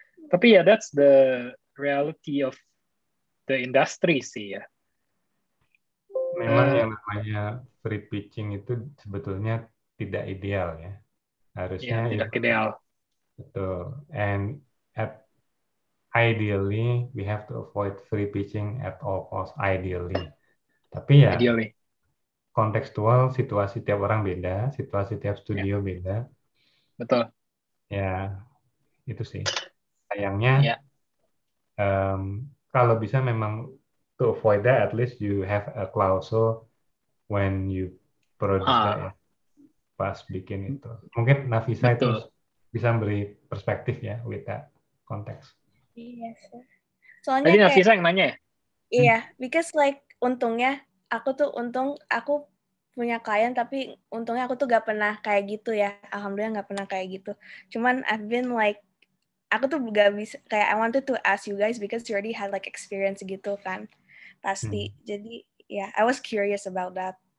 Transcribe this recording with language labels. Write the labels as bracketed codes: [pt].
[id] Tapi ya [en] that's the reality of the industry [id] sih ya. Memang yang namanya free pitching itu sebetulnya tidak ideal ya. Harusnya ya, tidak ideal. Betul. [en] And ideally we have to avoid free pitching at all costs, ideally. [id] Tapi ya [en] ideally. [id] Kontekstual, situasi tiap orang beda, situasi tiap studio ya. Beda. Betul. Ya, itu sih. Sayangnya ya. Kalau bisa memang [en] to avoid that, at least you have a clause when you produce that [id] pas bikin itu. Mungkin Nafisa itu bisa beri perspektif ya [en] with that context. Yes. [id] Soalnya tadi Nafisa yang nanya. Iya, [en] because like [id] untungnya aku tuh untung aku punya klien, tapi untungnya aku tuh gak pernah kayak gitu ya. Alhamdulillah gak pernah kayak gitu. [en] Cuman I've been like [id] aku tuh gak bisa, kayak [en] I wanted to ask you guys because you already had like experience [id] gitu kan. Pasti. Jadi, [en] yeah, I was curious about that.